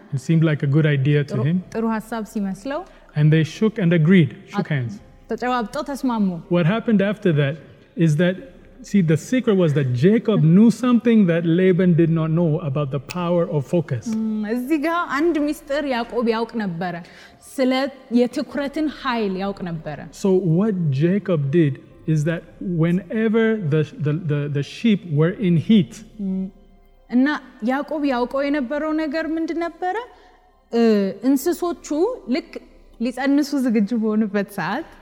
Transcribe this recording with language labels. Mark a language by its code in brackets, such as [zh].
[en] it seemed like a good idea to him. [am] ጥሩ ሐሳብ ሲመስለው [en] and they shook and agreed. Shook hands. [am] ተጨባብጠው ተስማሙ። [en] What happened after that is that see, the secret was that Jacob knew something that Laban did not know about the power of focus. [am] እዚህ ጋር አንድ ሚስጥር ያዕቆብ ያውቅ ነበር። ስለ የትኩረትን ኃይል ያውቅ ነበር። [en] So what Jacob did is that whenever the sheep were in heat. [am] እና ያዕቆብ ያውቀው የነበረው ነገር ምንድን ነበር? እንስሶቹ ልክ ሊጸንሱ ዝግጁ በሆኑበት ሰዓት